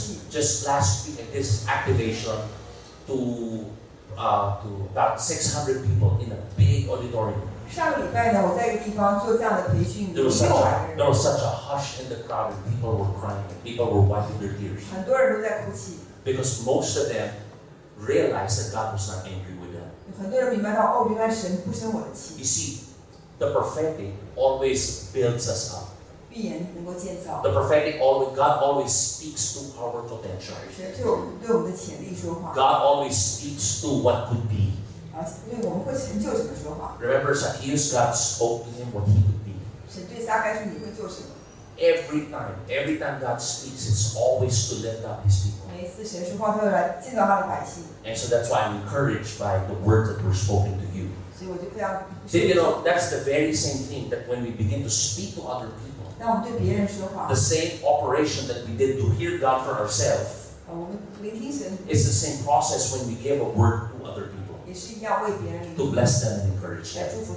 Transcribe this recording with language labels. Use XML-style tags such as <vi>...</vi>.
<en>Just last week, at this activation to about 600 people in a big auditorium.</en> <zh>上礼拜呢，我在一个地方做这样的培训，有六百人。</zh> <en>There was such a hush in the crowd, and people were crying, and people were wiping their tears.</en> <zh>很多人都在哭泣。</zh> <en>Because most of them realized that God was not angry with them.</en> <zh>很多人明白到，哦，原来神不生我的气。</zh> <en>You see, the prophetic always builds us up.</en> <zh>预言能够建造。</zh> <en>The prophetic always, God always speaks to our potential.</en> <zh>神对我们对我们的潜力说话。</zh> <en>God always speaks to what could be.</en> <zh>因为我们会成就什么说话。</zh> <en>Remember, Zacchaeus, God spoke to him what he could be.</en> <zh>神对撒该说你会做什么。</zh> <en>Every time God speaks, it's always to lift up his people.</en> <zh>每次神说话，他会来建造他的百姓。</zh> <en>And so that's why I'm encouraged by the words that were spoken to you.</en> <zh>所以我就非常。</zh> <en>See, you know, that's the very same thing that when we begin to speak to other people.</en> <zh>当我们对别人说话。</zh> <en>The same operation that we did to hear God for ourselves.</en> <zh>我们聆听神。</zh> <en>It's the same process when we gave a word to other people. To bless them and encourage them.</en>